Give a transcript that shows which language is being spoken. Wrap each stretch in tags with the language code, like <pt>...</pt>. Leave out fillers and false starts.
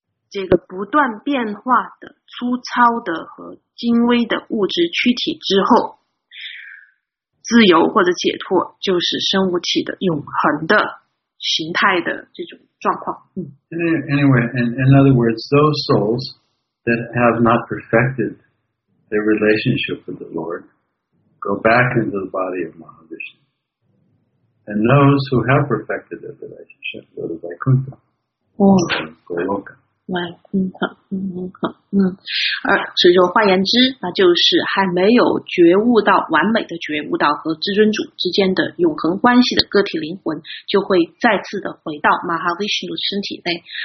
<zh>这个不断变化的粗糙的和精微的物质躯体之后，自由或者解脱就是生物体的永恒的形态的这种状况。</zh> <en>Anyway, in other words, those souls that have not perfected. Their relationship with the Lord go back into the body of Mahavishnu. And those who have perfected their relationship go to Vaikuntha. Oh. Goloka. Vaikuntha. Goloka.</en> <zh>所以说换言之那就是还没有觉悟到完美的觉悟到和至尊主之间的永恒关系的个体灵魂就会再次的回到 Mahavishnu 身体内。</zh>